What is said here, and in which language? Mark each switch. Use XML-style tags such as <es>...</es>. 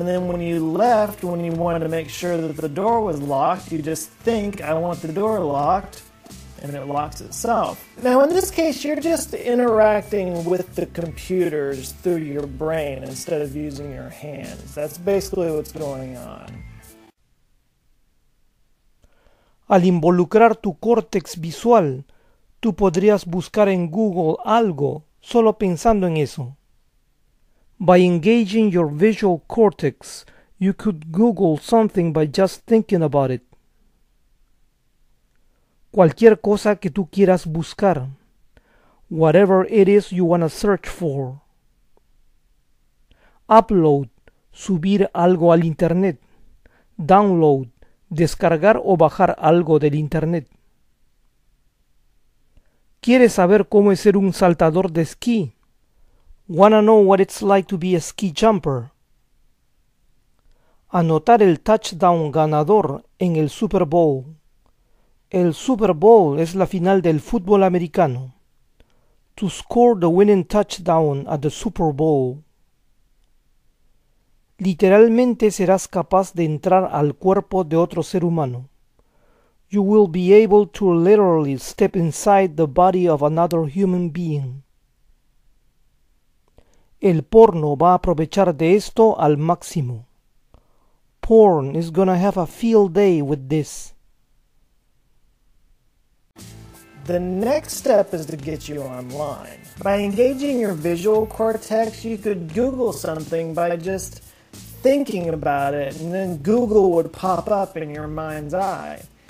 <en>And then when you left, when you wanted to make sure that the door was locked, you just think, I want the door locked, and it locks itself. Now in this case, you're just interacting with the computers through your brain instead of using your hands. That's basically what's going on.</en> <es>Al involucrar tu córtex visual, tú podrías buscar en Google algo solo pensando en eso.</es> <en>By engaging your visual cortex, you could Google something by just thinking about it.</en> <es>Cualquier cosa que tú quieras buscar.</es> <en>Whatever it is you want to search for.</en> <es>Upload, subir algo al internet. Download, descargar o bajar algo del internet. ¿Quieres saber cómo es ser un saltador de esquí?</es> <en>Wanna know what it's like to be a ski jumper?</en> <es>Anotar el touchdown ganador en el Super Bowl. El Super Bowl es la final del fútbol americano.</es> <en>To score the winning touchdown at the Super Bowl.</en> <es>Literalmente serás capaz de entrar al cuerpo de otro ser humano.</es> <en>You will be able to literally step inside the body of another human being.</en> <es>El porno va a aprovechar de esto al máximo.</es> <en>Porn is gonna have a field day with this. The next step is to get you online. By engaging your visual cortex, you could Google something by just thinking about it, and then Google would pop up in your mind's eye.</en>